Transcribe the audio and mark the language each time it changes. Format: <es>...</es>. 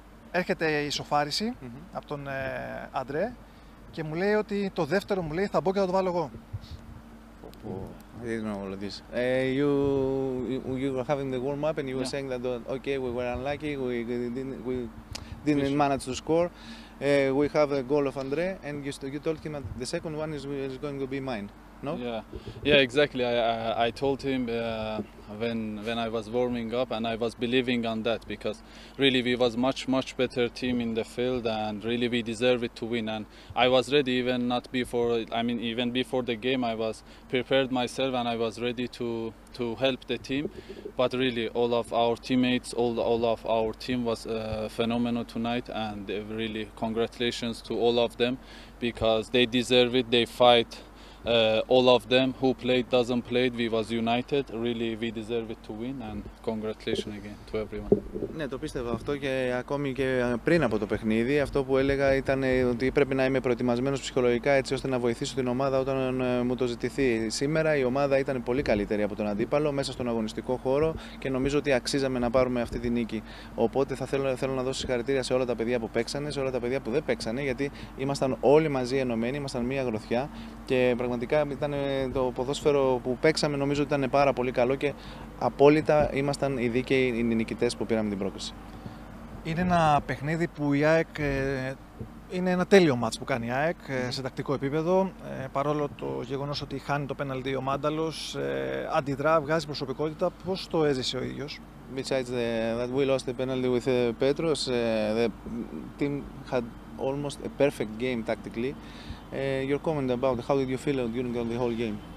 <el>Έρχεται η σοφάριση από τον Αντρέ και μου λέει ότι το δεύτερο μου λέει θα μπω και θα το βάλω εγώ.</el> <en>I didn't know all of this. You were having the warm up and you were saying that okay, we were unlucky, we didn't manage to score. We have a goal of Andre, and you told him that the second one is going to be mine. No? Yeah, exactly. I told him when I was warming up, and I was believing on that because really we was much better team in the field, and really we deserve it to win. And I was ready even before the game. I was prepared myself, and I was ready to help the team. But really, all of our teammates, all of our team was phenomenal tonight, and really congratulations to all of them because they deserve it. They fight. All of them who played, doesn't play, we was united. Really, we deserve it to win and congratulations again to everyone.</en> <el>Ναι, το πίστευα αυτό και ακόμη και πριν από το παιχνίδι. Αυτό που έλεγα ήταν ότι πρέπει να είμαι προετοιμασμένος ψυχολογικά έτσι ώστε να βοηθήσω την ομάδα όταν μου το ζητηθεί. Σήμερα η ομάδα ήταν πολύ καλύτερη από τον αντίπαλο μέσα στον αγωνιστικό χώρο και νομίζω ότι αξίζαμε να πάρουμε αυτή τη νίκη. Οπότε θέλω να δώσω συγχαρητήρια σε όλα τα παιδιά που παίξανε, σε όλα τα παιδιά που δεν παίξανε, γιατί ήμασταν όλοι μαζί ενωμένοι, ήμασταν μία γροθιά και πραγματικά ήταν το ποδόσφαιρο που παίξαμε, νομίζω ότι ήταν πάρα πολύ καλό και απόλυτα ήμασταν οι δίκαιοι οι νικητές που πήραμε την πρόκριση. Είναι ένα παιχνίδι που η ΑΕΚ είναι ένα τέλειο μάτς που κάνει η ΑΕΚ σε τακτικό επίπεδο. Παρόλο το γεγονός ότι χάνει το πέναλτι ο Μάνταλος, αντιδρά, βγάζει προσωπικότητα. Πώς το έζησε ο ίδιος?</el> <en>Besides that we lost the penalty with Petros, the team had almost a perfect game tactically. Your comment about how did you feel during the whole game?</en>